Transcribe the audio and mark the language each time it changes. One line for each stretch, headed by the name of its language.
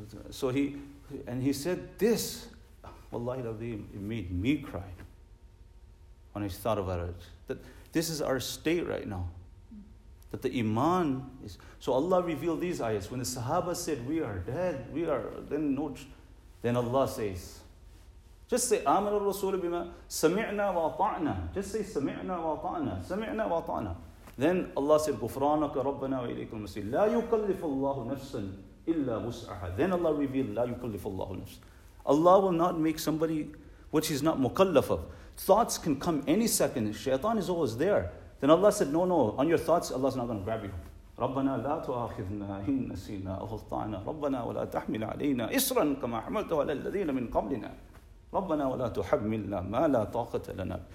English: So he said this, wallahi al-azim, it made me cry when I thought about it. That this is our state right now. That the iman is... So Allah revealed these ayats. When the Sahaba said, we are dead, we are... Then Allah says... Just say,
Arabic: آمَنَ الرَّسُولُ بِمَا سَمِعْنَا وَأَطَعْنَا.
English: Just say,
Arabic: سَمِعْنَا وَأَطَعْنَا.
English: Then Allah said,
Arabic: غُفْرَانَكَ رَبَّنَا وَإِلَيْكَ الْمَصِيرُ. لَا يُكَلِّفُ اللَّهُ نَفْسًا إِلَّا وُسْعَهَا.
English: Then Allah revealed,
Arabic: لَا يُكَلِّفُ اللَّهُ نَفْسًا.
English: Allah will not make somebody which he's not mukallaf of. Thoughts can come any second. Shaitan is always there. Then Allah said, no, on your thoughts, Allah's not going to grab you.
Arabic: رَبَّنَا لَا تُؤَاخِذْنَا إِن نَسِيْنَا أَخُطَّعْنَا رَبَّنَا وَلَا تَحْمِلْ عَلَيْنَا إِصْرًا كَمَا حَمَلْتَهُ عَلَى الَّذِينَ مِنْ قَبْلِنَا رَبَّنَا وَلَا تُحَمِّلْنَا مَا لَا طَاقَةَ لَنَا.